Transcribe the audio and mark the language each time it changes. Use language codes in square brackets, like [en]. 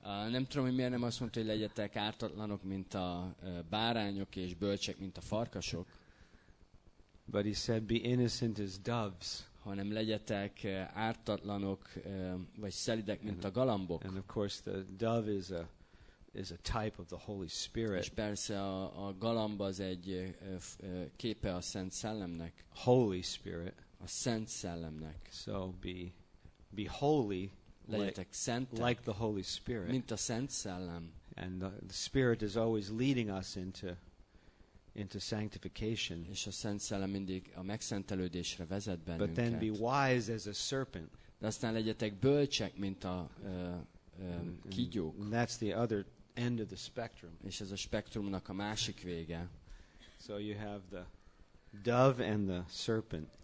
[hu] Nem tudom, hogy miért nem azt mondta, hogy legyetek ártatlanok, mint a bárányok, és bölcsek, mint a farkasok. [en] But he said, be innocent as doves. [hu] Hanem legyetek ártatlanok, vagy szelidek, mint a galambok. [en] And of course the dove is a type of the Holy Spirit. [hu] És persze a galamb az egy képe a Szent Szellemnek. [en] Holy Spirit. [hu] A Szent Szellemnek. [en] So be holy. [hu] Legyetek szentek. [en] Like the Holy Spirit. [hu] Mint a Szent Szellem. [en] And the Spirit is always leading us into sanctification. [hu] És a Szent Szellem mindig a megszentelődésre vezet bennünket. [en] But then be wise as a serpent. [hu] De aztán legyetek bölcsek, mint a kígyók. [en] And that's the other end of the spectrum. [hu] És ez a spektrumnak a másik vége. [en] So you have the dove and the serpent.